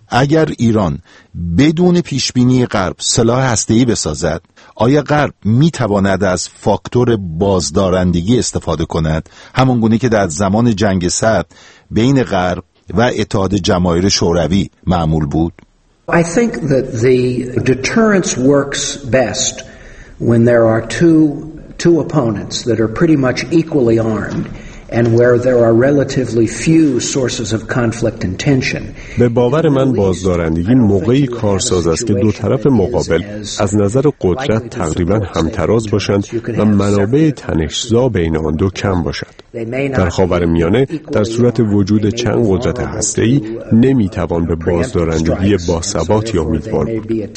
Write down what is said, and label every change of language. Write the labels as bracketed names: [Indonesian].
[Persian] اگر ایران بدون پیشبینی غرب سلاح هسته‌ای بسازد، آیا غرب می‌تواند از فاکتور بازدارندگی استفاده کند، همان گونه که در زمان جنگ سرد بین غرب و اتحاد جماهیر شوروی معمول بود؟ [English] I think that the deterrence works best when there are two opponents that are pretty much equally armed and where there are relatively few sources of conflict and tension. [Persian] به باور من بازدارندگی موقعی کارساز است که دو طرف مقابل از نظر قدرت تقریبا همتراز باشند و منابع تنش‌زا بین آن دو کم باشد. در خاورمیانه در صورت وجود چند قدرت هسته‌ای نمی‌توان به بازدارندگی باثبات امیدوار بود.